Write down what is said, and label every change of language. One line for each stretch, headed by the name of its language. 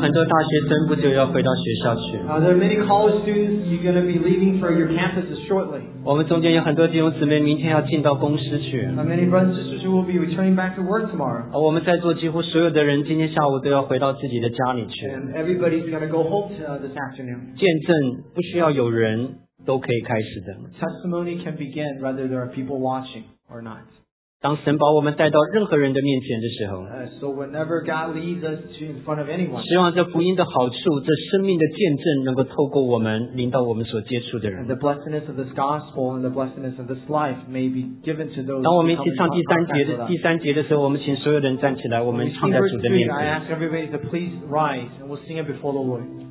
Chinese: 大学生不久要回到学校去。
English: There are many college students you're going to be leaving for your campuses shortly.
Chinese: 我们中间有很多弟兄姊妹明天要进到公司去。
English: Many brothers and sisters will be returning back to work tomorrow.
Chinese: 我们在座几乎所有的人今天下午都要回到自己的家里去。
English: And everybody's going to go home this afternoon.
Chinese: 见证不需要有人都可以开始的。
English: Testimony can begin whether there are people watching or not.
Chinese: 当神把我们带到任何人的面前的时候
English: so whenever God leads us to in front of anyone,
Chinese: 希望这福音的好处这生命的见证能够透过我们临到我们所接触的人
English: and the blessedness of this gospel and the blessedness of this life may be given to those
Chinese: 当我们一起唱第三节的时候我们请所有人站起来我们唱在主的面前
English: I ask everybody to please rise and we'll sing it before the Lord